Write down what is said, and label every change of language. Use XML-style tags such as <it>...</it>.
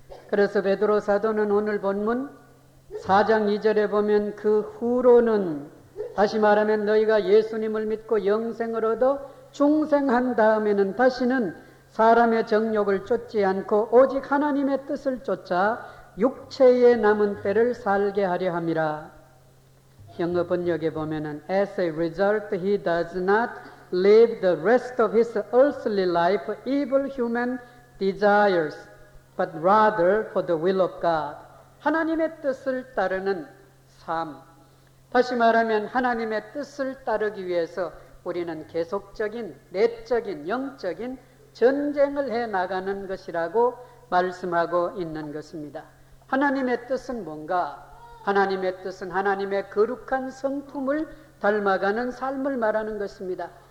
<ko>그래서 베드로 사도는 오늘 본문 4장 2절에 보면 그 후로는, 다시 말하면 너희가 예수님을 믿고 영생을 얻어 중생한 다음에는 다시는 사람의 정욕을 쫓지 않고 오직 하나님의 뜻을 쫓아 육체의 남은 때를 살게 하려 함이라. 영어 번역에 보면은</ko> <en>As a result, he does not live the rest of his earthly life for evil human desires, but rather for the will of God.</en> <ko>하나님의 뜻을 따르는 삶. 다시 말하면 하나님의 뜻을 따르기 위해서 우리는 계속적인 내적인 영적인 전쟁을 해나가는 것이라고 말씀하고 있는 것입니다. 하나님의 뜻은 뭔가? 하나님의 뜻은 하나님의 거룩한 성품을 닮아가는 삶을 말하는 것입니다.</ko>